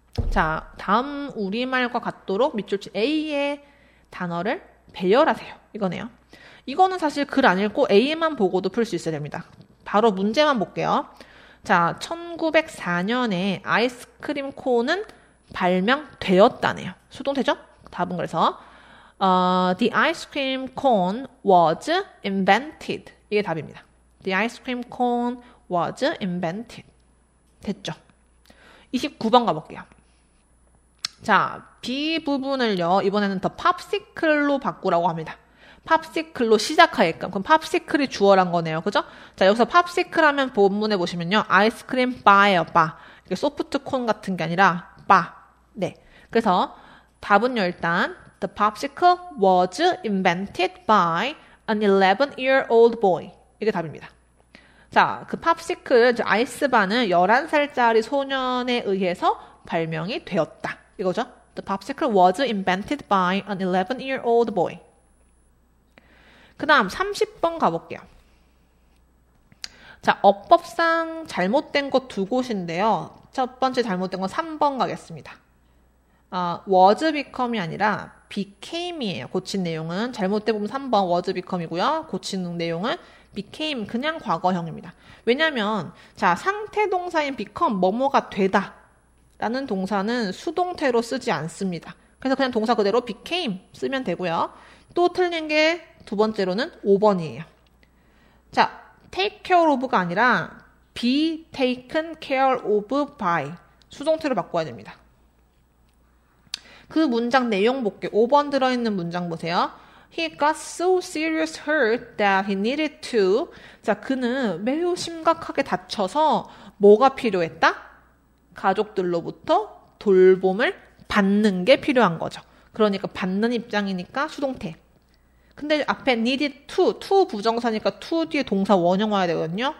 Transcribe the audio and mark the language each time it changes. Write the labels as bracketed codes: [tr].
[ko] 자, 다음 우리말과 같도록 밑줄 친 A의 단어를 배열하세요. 이거네요. 이거는 사실 글 안 읽고 A만 보고도 풀 수 있어야 됩니다. 바로 문제만 볼게요. 자, 1904년에 아이스크림 콘은 발명되었다네요. 수동태죠? 답은 그래서 [en] The ice cream cone was invented. [ko] 이게 답입니다. [en] The ice cream cone was invented. [ko] 됐죠? 29번 가볼게요. 자, B 부분을요, 이번에는 더 팝시클로 바꾸라고 합니다. 팝시클로 시작하게끔. 그럼 팝시클이 주어란 거네요. 그죠? 자, 여기서 팝시클 하면 본문에 보시면요. 아이스크림 바예요, 바. 이게 소프트콘 같은 게 아니라, 바. 네. 그래서 답은요, 일단, [en] The popsicle was invented by an 11-year-old boy. [ko] 이게 답입니다. 자, 그 팝시클, 아이스바는 11살짜리 소년에 의해서 발명이 되었다. 이거죠? [en] The popsicle was invented by an 11-year-old boy. [ko] 그 다음 30번 가볼게요. 자, 어법상 잘못된 곳 두 곳인데요. 첫 번째 잘못된 건 3번 가겠습니다. Was become이 아니라 became이에요. 고친 내용은. 잘못된 부분 3번 was become이고요. 고친 내용은 became, 그냥 과거형입니다. 왜냐하면 자, 상태동사인 become, 뭐뭐가 되다. 라는 동사는 수동태로 쓰지 않습니다. 그래서 그냥 동사 그대로 became 쓰면 되고요. 또 틀린 게 두 번째로는 5번이에요. 자, take care of가 아니라 be taken care of by 수동태로 바꿔야 됩니다. 그 문장 내용 볼게요. 5번 들어있는 문장 보세요. [en] He got so serious hurt that he needed to. [ko] 자, 그는 매우 심각하게 다쳐서 뭐가 필요했다? 가족들로부터 돌봄을 받는 게 필요한 거죠. 그러니까 받는 입장이니까 수동태. 근데 앞에 needed to 부정사니까 to 뒤에 동사 원형 와야 되거든요.